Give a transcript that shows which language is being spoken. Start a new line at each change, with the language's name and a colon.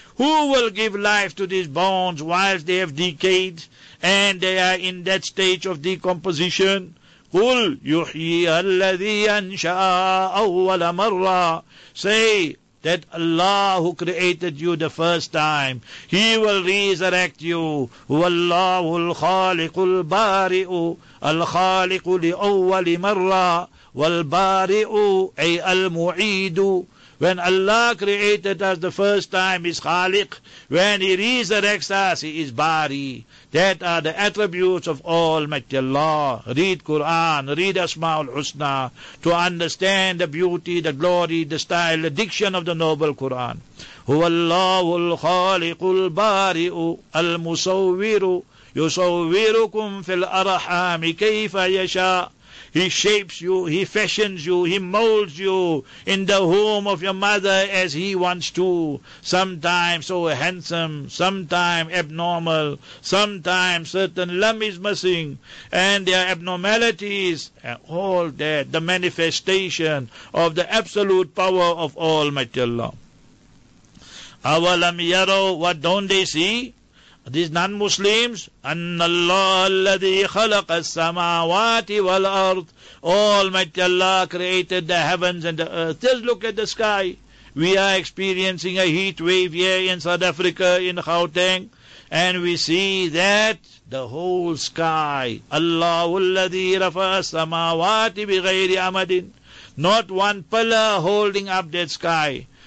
English: Who will give life to these bones whilst they have decayed and they are in that stage of decomposition?
Arabic: Qul yuhyi alladhi ansha'a awwala marra.
English: Say that Allah who created you the first time, He will resurrect you.
Arabic: Wallahu al-khaliqul bari'u. الخالق لأول مرة والبارئ أي المعيد.
English: When Allah created us the first time, He is Khaliq. When He resurrects us, He is Bari. That are the attributes of Almighty Allah. Read Quran, read Asma'ul Husna to understand the beauty, the glory, the style, the diction of the Noble Quran.
Arabic: هو الله الخالق البارئ المصور. يُصَوِّرُكُمْ فِي الْأَرْحَامِ كَيْفَ يَشَاءُ.
English: He shapes you, He fashions you, He molds you in the womb of your mother as He wants to. Sometimes so handsome, sometimes abnormal, sometimes certain limb is missing, and there are abnormalities, and all that, the manifestation of the absolute power of Almighty Allah.
Arabic: أَوَلَمْ يَرَوْا.
English: What don't they see? These non-Muslims,
Arabic: أَنَّ اللَّهَ الَّذِي خَلَقَ السَّمَاوَاتِ وَالْأَرْضِ.
English: Almighty Allah created the heavens and the earth. Just look at the sky. We are experiencing a heat wave here in South Africa, in Gauteng, and we see that the whole sky,
Arabic: اللَّهُ الَّذِي رَفَعَ السَّمَاوَاتِ بِغَيْرِ عَمَدٍ.
English: Not one pillar holding up that sky.